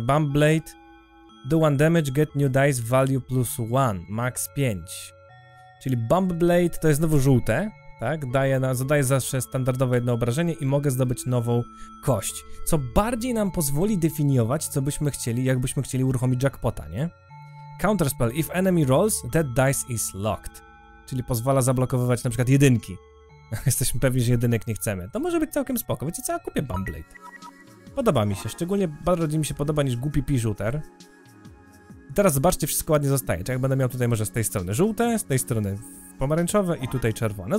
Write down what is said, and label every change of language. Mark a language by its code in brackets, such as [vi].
[en] Bump blade, do one damage, get new dice, value plus 1, max 5. [pl] Czyli bump blade to jest znowu żółte, tak? Zadaje zawsze standardowe jedno obrażenie i mogę zdobyć nową kość. Co bardziej nam pozwoli definiować, co byśmy chcieli, jakbyśmy chcieli uruchomić jackpota, nie? [en] Counterspell. If enemy rolls, that dice is locked. [pl] Czyli pozwala zablokowywać na przykład jedynki. Jesteśmy pewni, że jedynek nie chcemy. To może być całkiem spoko. Wiecie co? Ja kupię Bumblade. Podoba mi się. Szczególnie bardziej mi się podoba niż głupi P-shooter. I teraz zobaczcie, wszystko ładnie zostaje. Czyli jak będę miał tutaj może z tej strony żółte, z tej strony pomarańczowe i tutaj czerwone.